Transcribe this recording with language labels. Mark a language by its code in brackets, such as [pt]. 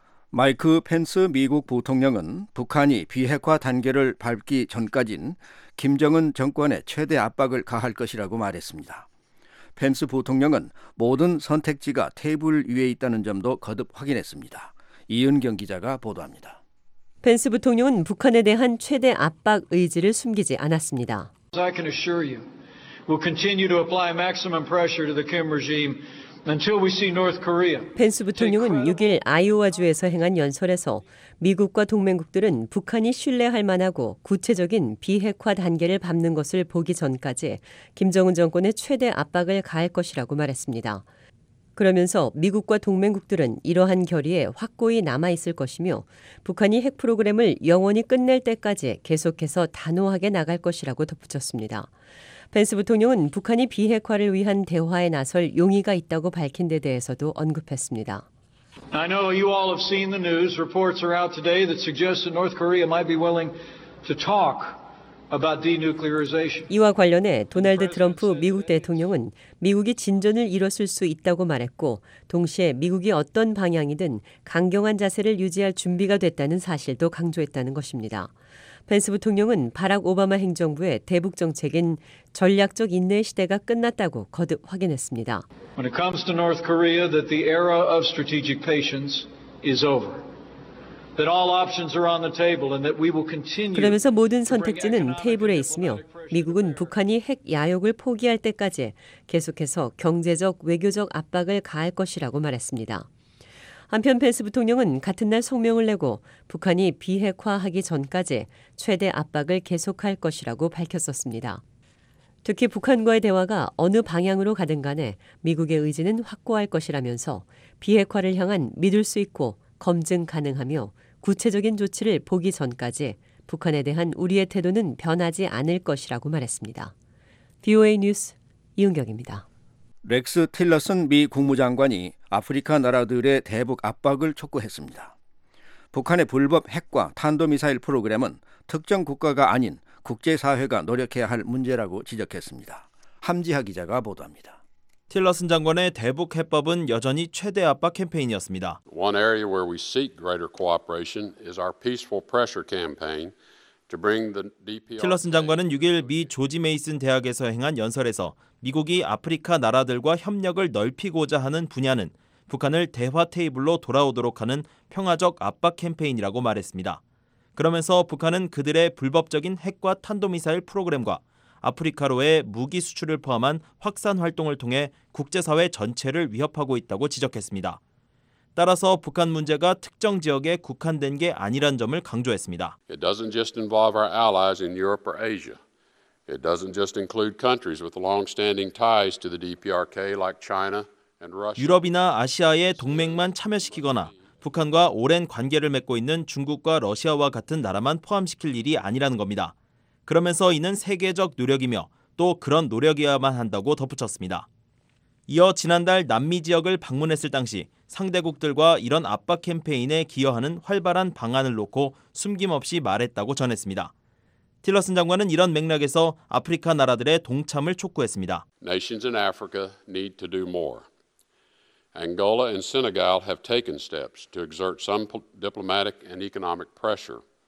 [ko] 마이크 펜스 미국 부통령은 북한이 비핵화 단계를 밟기 전까진 김정은 정권에 최대 압박을 가할 것이라고 말했습니다. 펜스 부통령은 모든 선택지가 테이블 위에 있다는 점도 거듭 확인했습니다. 이은경 기자가 보도합니다. 펜스 부통령은 북한에 대한 최대 압박 의지를 숨기지 않았습니다. [en] I can assure you, we'll continue to apply maximum pressure to the Kim regime. Until we see North Korea. [ko] 펜스 부통령은 6일 아이오와주에서 행한 연설에서 미국과 동맹국들은 북한이 신뢰할 만하고 구체적인 비핵화 단계를 밟는 것을 보기 전까지 김정은 정권의 최대 압박을 가할 것이라고 말했습니다. 그러면서 미국과 동맹국들은 이러한 결의에 확고히 남아있을 것이며 북한이 핵 프로그램을 영원히 끝낼 때까지 계속해서 단호하게 나갈 것이라고 덧붙였습니다. 펜스 부통령은 북한이 비핵화를 위한 대화에 나설 용의가 있다고 밝힌 데 대해서도 언급했습니다. [en] I know you all have seen the news. Reports are out today that suggest that North Korea might be willing to talk about denuclearization. [ko] 이와 관련해 도널드 트럼프 미국 대통령은 미국이 진전을 이뤘을 수 있다고 말했고 동시에 미국이 어떤 방향이든 강경한 자세를 유지할 준비가 됐다는 사실도 강조했다는 것입니다. 펜스 부통령은 바락 오바마 행정부의 대북 정책인 전략적 인내 시대가 끝났다고 거듭 확인했습니다. [en] When it comes to North Korea, that the era of strategic patience is over. That all options are on the table and that we will continue. [ko] 그러면서 모든 선택지는 테이블에 있으며 미국은 북한이 핵 야욕을 포기할 때까지 계속해서 경제적 외교적 압박을 가할 것이라고 말했습니다. 한편 펜스 부통령은 같은 날 성명을 내고 북한이 비핵화하기 전까지 최대 압박을 계속할 것이라고 밝혔었습니다. 특히 북한과의 대화가 어느 방향으로 가든 간에 미국의 의지는 확고할 것이라면서 비핵화를 향한 믿을 수 있고 검증 가능하며 구체적인 조치를 보기 전까지 북한에 대한 우리의 태도는 변하지 않을 것이라고 말했습니다. VOA 뉴스 이은경입니다. 렉스 틸러슨 미 국무장관이 아프리카 나라들의 대북 압박을 촉구했습니다. 북한의 불법 핵과 탄도미사일 프로그램은 특정 국가가 아닌 국제사회가 노력해야 할 문제라고 지적했습니다. 함지하 기자가 보도합니다. 틸러슨 장관의 대북 해법은 여전히 최대 압박 캠페인이었습니다. [en] One area where we seek greater cooperation is our peaceful pressure campaign. [ko] 틸러슨 장관은 6일 미 조지 메이슨 대학에서 행한 연설에서 미국이 아프리카 나라들과 협력을 넓히고자 하는 분야는 북한을 대화 테이블로 돌아오도록 하는 평화적 압박 캠페인이라고 말했습니다. 그러면서 북한은 그들의 불법적인 핵과 탄도미사일 프로그램과 아프리카로의 무기 수출을 포함한 확산 활동을 통해 국제사회 전체를 위협하고 있다고 지적했습니다. 따라서 북한 문제가 특정 지역에 국한된 게 아니란 점을 강조했습니다. [en] It doesn't just involve our allies in Europe or Asia. It doesn't just include countries with long-standing ties to the DPRK like China and Russia. [ko] 유럽이나 아시아의 동맹만 참여시키거나 북한과 오랜 관계를 맺고 있는 중국과 러시아와 같은 나라만 포함시킬 일이 아니라는 겁니다. 그러면서 이는 세계적 노력이며 또 그런 노력이어야만 한다고 덧붙였습니다. 이어 지난달 남미 지역을 방문했을 당시 상대국들과 이런 압박 캠페인에 기여하는 활발한 방안을 놓고 숨김없이 말했다고 전했습니다. 틸러슨 장관은 이런 맥락에서 아프리카 나라들의 동참을 촉구했습니다. [en] Nations in Africa need to do more. Angola and Senegal have taken steps to exert some diplomatic and economic pressure.